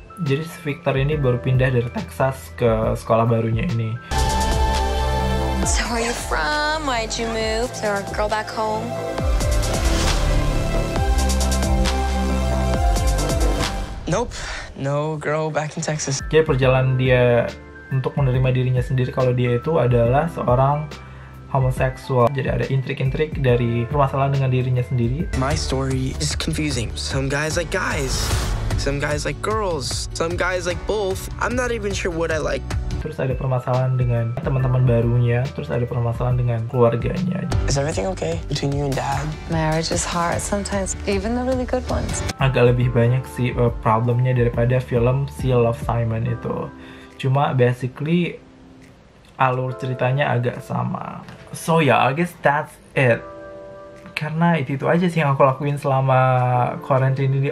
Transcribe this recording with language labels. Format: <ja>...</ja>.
<id>Jadi si Victor ini baru pindah dari Texas ke sekolah barunya ini.</id> <en>So where are you from? Why did you move? Is there a girl back home? Nope, no girl back in Texas.</en> <id>Jadi perjalanan dia untuk menerima dirinya sendiri kalau dia itu adalah seorang homoseksual. Jadi ada intrik-intrik dari permasalahan dengan dirinya sendiri.</id> <en>My story is confusing. Some guys like guys, some guys like girls, some guys like both. I'm not even sure what I like.</en> <id>Terus ada permasalahan dengan teman-teman barunya, terus ada permasalahan dengan keluarganya.</id> <en>Is everything okay between you and dad? Marriage is hard sometimes, even the really good ones.</en> <id>Agak lebih banyak sih problemnya daripada film si Love, Simon itu. Cuma basically alur ceritanya agak sama.</id> <en>So yeah, I guess that's it.</en> <id>Karena itu aja sih yang aku lakuin selama quarantine ini.</id>